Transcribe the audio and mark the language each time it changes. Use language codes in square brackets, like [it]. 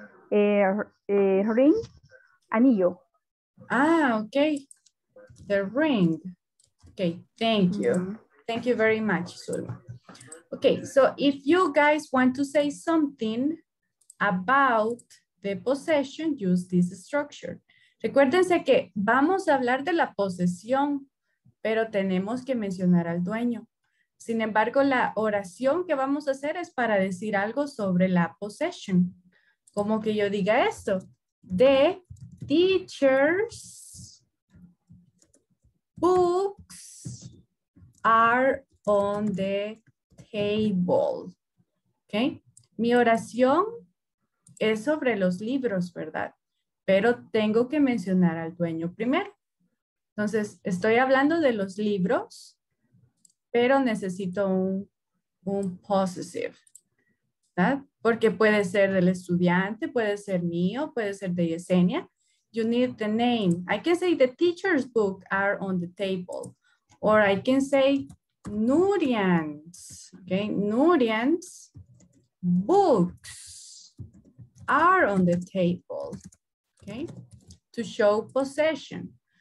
[en] Ring, anillo. Ah, okay. The ring. Okay, thank you. Thank you very much, Zulma. Okay, so if you guys want to say something about the possession, use this structure. [es] Recuérdense que vamos a hablar de la posesión, pero tenemos que mencionar al dueño. Sin embargo, la oración que vamos a hacer es para decir algo sobre la possession. Como que yo diga esto, [en] the teacher's books are on the table, okay? [es] Mi oración es sobre los libros, ¿verdad? Pero tengo que mencionar al dueño primero. Entonces, estoy hablando de los libros, pero necesito un possessive, ¿verdad? Porque puede ser del estudiante, puede ser mío, puede ser de Yesenia. [en] You need the name. I can say the teacher's book are on the table. Or I can say Nurian's. Okay, Nurian's books are on the table. Okay, to show possession.